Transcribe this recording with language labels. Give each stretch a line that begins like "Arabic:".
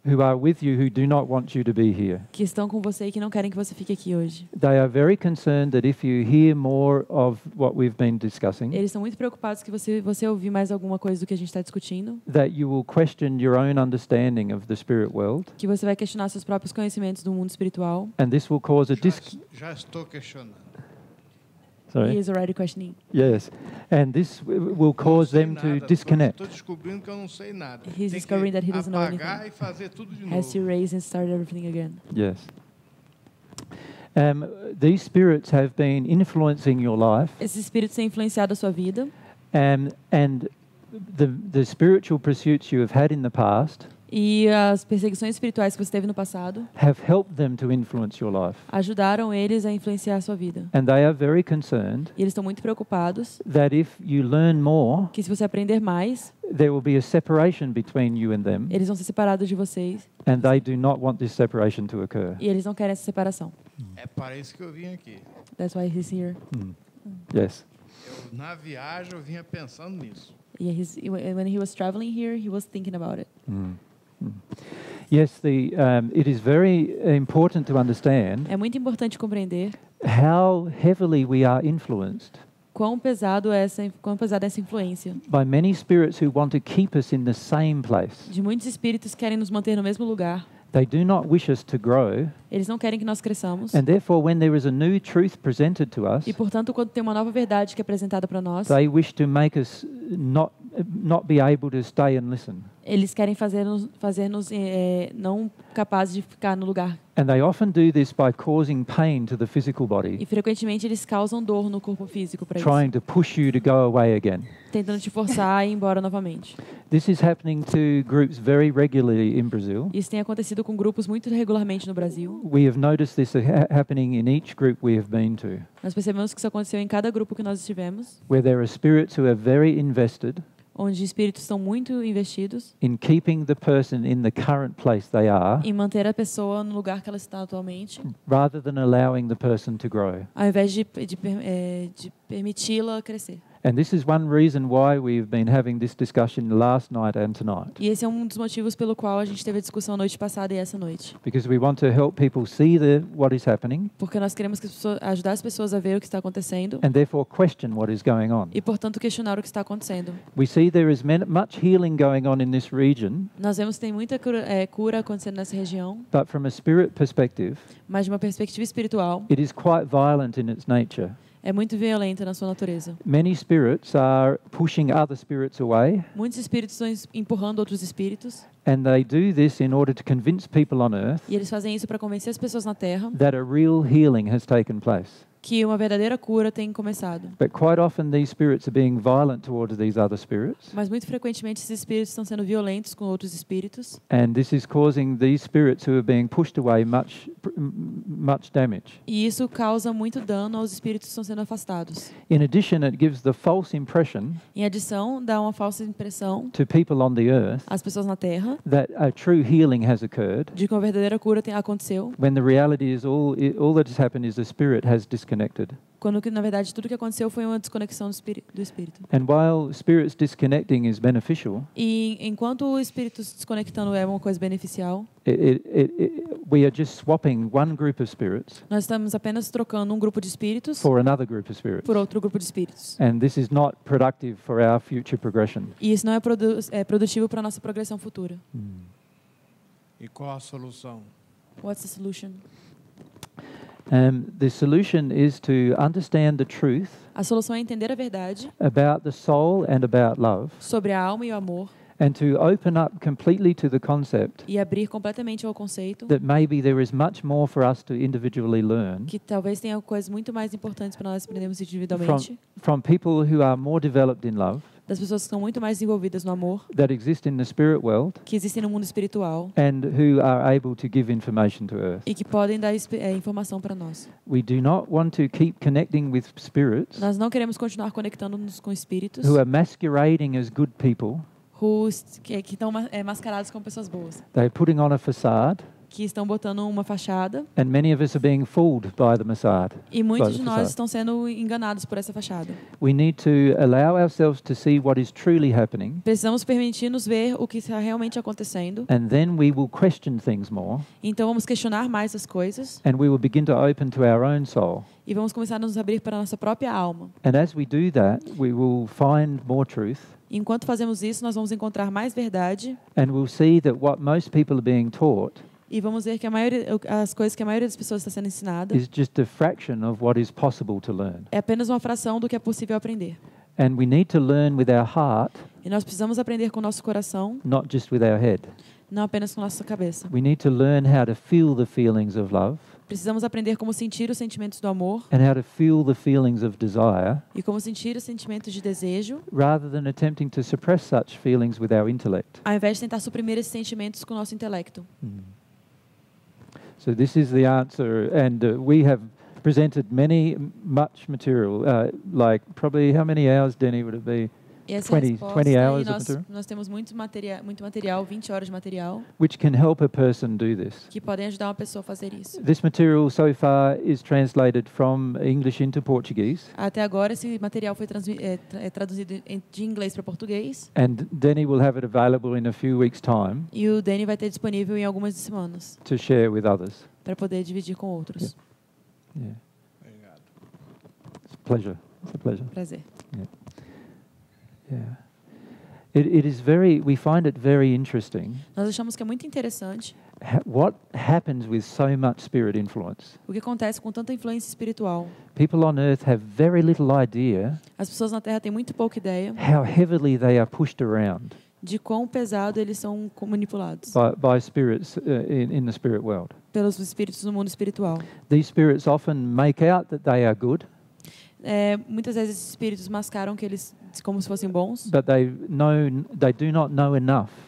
English: Who are with you who do not want you to be here.
Portuguese: Que estão com você e que não querem que você fique aqui hoje.
English: They are very concerned that if you hear more of what we've been discussing.
Portuguese: Eles estão muito preocupados que você ouvir mais alguma coisa do que a gente está discutindo.
English: That you will question your own understanding of the spirit world.
Portuguese: Que você vai questionar seus próprios conhecimentos do mundo espiritual.
English: And this will cause a
Portuguese: Já estou questionando.
English: Sorry. He is already questioning. Yes, and this will cause them to disconnect.
Portuguese: Tô descobrindo que eu não sei nada.
English: He's discovering that he doesn't know anything.
Portuguese: Tem que apagar e fazer tudo de novo.
English: Has to raise and start everything again. Yes. These spirits have been influencing your life.
Portuguese: Esses espíritos têm influenciado a sua vida.
English: And the spiritual pursuits you have had in the past.
Portuguese: E as perseguições espirituais que você teve no passado
English: have helped them to influence your life.
Portuguese: Ajudaram eles a influenciar a sua vida.
English: And they are very concerned
Portuguese: e eles estão muito preocupados
English: that if you learn more,
Portuguese: que se você aprender mais
English: there will be a separation between you and them,
Portuguese: eles vão ser separados de vocês
English: and they do not want this separation to occur.
Portuguese: E eles não querem essa separação. É para isso que eu vim aqui.
English: That's why he's here. Yes.
Portuguese: Eu, na viagem eu vinha pensando nisso.
English: Yeah, when he was traveling here, he was thinking about it. Mm. Yes, the it is very important to understand.
Portuguese: É muito importante compreender.
English: How heavily we are influenced.
Portuguese: Quão pesada é essa influência.
English: By many spirits who want to keep us in the same place.
Portuguese: De muitos espíritos querem nos manter no mesmo lugar.
English: They do not wish us to grow.
Portuguese: Eles não querem que nós cresçamos.
English: And therefore, when there is a new truth presented to us,
Portuguese: e portanto, quando tem uma nova verdade que é apresentada para nós,
English: they wish to make us not be able to stay and listen.
Portuguese: Eles querem fazer-nos não capazes de ficar no lugar.
English: And they often do this by causing pain to the physical body.
Portuguese: E frequentemente eles causam dor no corpo físico para isso.
English: Trying to push you to go away again.
Portuguese: Tentando te forçar a ir embora novamente.
English: This is happening to groups very regularly in Brazil.
Portuguese: Isso tem acontecido com grupos muito regularmente no Brasil.
English: We have noticed this happening in each group we have been to.
Portuguese: Nós percebemos que isso aconteceu em cada grupo que nós estivemos.
English: Where there are spirits who are very invested.
Portuguese: Onde espíritos estão muito investidos
English: in keeping the person in the current place they are,
Portuguese: em manter a pessoa no lugar que ela está atualmente,
English: rather than allowing the person to grow.
Portuguese: Ao invés de permiti-la crescer.
English: And this is one reason why we've been having this discussion last night and tonight.
Portuguese: E esse é um dos motivos pelo qual a gente teve a discussão noite passada e essa noite.
English: Because we want to help people see what is happening.
Portuguese: Porque nós queremos ajudar as pessoas a ver o que está acontecendo.
English: And therefore question what is going on.
Portuguese: E portanto questionar o que está acontecendo.
English: We see there is much healing going on in this region.
Portuguese: Nós vemos que tem muita cura acontecendo nessa região.
English: But from a spirit perspective.
Portuguese: Mas de uma perspectiva espiritual.
English: It is quite violent in its nature.
Portuguese: É muito violenta na sua natureza.
English: Many spirits are pushing other spirits away.
Portuguese: Muitos espíritos estão empurrando outros espíritos.
English: And they do this in order to convince people on earth.
Portuguese: E eles fazem isso para convencer as pessoas na Terra.
English: That a real healing has taken place.
Portuguese: Que uma verdadeira cura tem começado.
English: But quite often these spirits are being violent towards these other spirits.
Portuguese: Mas muito frequentemente esses espíritos estão sendo violentos com outros espíritos.
English: And this is causing these spirits who are being pushed away much damage.
Portuguese: E isso causa muito dano aos espíritos que estão sendo afastados.
English: In addition, it gives the false impression.
Portuguese: Em adição, dá uma falsa impressão.
English: To people on the earth.
Portuguese: Às pessoas na Terra.
English: That a true healing has occurred.
Portuguese: De que uma verdadeira cura aconteceu.
English: When the reality is all that has happened is the spirit has disconnected.
Portuguese: Quando que na verdade tudo que aconteceu foi uma desconexão do espírito.
English: And while spirits disconnecting is beneficial.
Portuguese: E enquanto o espírito se desconectando é uma coisa beneficial.
English: We are just swapping one group of spirits.
Portuguese: Nós estamos apenas trocando um grupo de espíritos.
English: For another group of spirits.
Portuguese: Por outro grupo de espíritos.
English: And this is not productive for our future progression.
Portuguese: E isso não é produtivo para nossa progressão futura. E qual a solução?
English: What's the solution? The solution is to understand the truth.
Portuguese: A solução é entender a verdade.
English: About the soul and about love.
Portuguese: Sobre a alma e o amor.
English: And to open up completely to the concept.
Portuguese: E abrir completamente ao conceito.
English: That maybe there is much more for us to individually learn.
Portuguese: Que talvez tenha coisas muito mais importantes para nós aprendermos individualmente.
English: From people who are more developed in love.
Portuguese: Das pessoas que estão muito mais envolvidas no amor.
English: That exist in the spirit world.
Portuguese: Que existem no mundo espiritual.
English: And who are able to give information to earth.
Portuguese: E que podem dar informação para nós.
English: We do not want to keep connecting with spirits.
Portuguese: Nós não queremos continuar conectando-nos com espíritos.
English: Who are masquerading as good people.
Portuguese: Que estão mascarados como pessoas boas.
English: They are putting on a facade.
Portuguese: Que estão botando uma fachada.
English: And many of us are being fooled by the facade.
Portuguese: E muitos de nós estão sendo enganados por essa fachada.
English: We need to allow ourselves to see what is truly happening.
Portuguese: Precisamos permitir-nos ver o que está realmente acontecendo.
English: And then we will question things more.
Portuguese: Então vamos questionar mais as coisas.
English: And we will begin to open to our own soul.
Portuguese: E vamos começar a nos abrir para a nossa própria alma.
English: And as we do that, we will find more truth.
Portuguese: Enquanto fazemos isso, nós vamos encontrar mais verdade.
English: And we'll see that what most people are being taught.
Portuguese: E vamos ver que a maioria, as coisas que a maioria das pessoas está sendo ensinada
English: is just a fraction of what is possible to learn.
Portuguese: É apenas uma fração do que é possível aprender.
English: And we need to learn with our heart,
Portuguese: e nós precisamos aprender com o nosso coração,
English: not just with our head.
Portuguese: Não apenas com a nossa cabeça.
English: We need to learn how to feel the feelings of love.
Portuguese: Precisamos aprender como sentir os sentimentos do amor.
English: And how to feel the feelings of desire.
Portuguese: E como sentir os sentimentos de desejo.
English: Rather than attempting to suppress such feelings with our intellect.
Portuguese: Ao invés de tentar suprimir esses sentimentos com o nosso intelecto.
English: So this is the answer, and we have presented much material, like probably how many hours, Denny, would it be? 20 hours of material.
Portuguese: Nós temos muito material, 20 horas de material.
English: Which can help a person do this.
Portuguese: Que podem ajudar uma pessoa a fazer isso.
English: This material so far is translated from English into Portuguese.
Portuguese: Até agora esse material foi traduzido de inglês para português.
English: And Denny will have it available in a few weeks time.
Portuguese: E o Denny vai ter disponível em algumas semanas.
English: To share with others.
Portuguese: Para poder dividir com outros. Obrigado.
English: It's a pleasure. It's a pleasure.
Portuguese: Prazer.
English: Yeah. It is very, we find it very interesting.
Portuguese: Nós achamos que é muito interessante.
English: What happens with so much spirit influence?
Portuguese: O que acontece com tanta influência espiritual?
English: People on earth have very little idea.
Portuguese: As pessoas na Terra têm muito pouca ideia.
English: How heavily they are pushed around.
Portuguese: De quão pesado eles são manipulados.
English: By spirits in the spirit world.
Portuguese: Pelos espíritos do mundo espiritual.
English: These spirits often make out that they are good.
Portuguese: Muitas vezes esses espíritos mascaram que eles como se fossem bons.
English: But they do not know enough.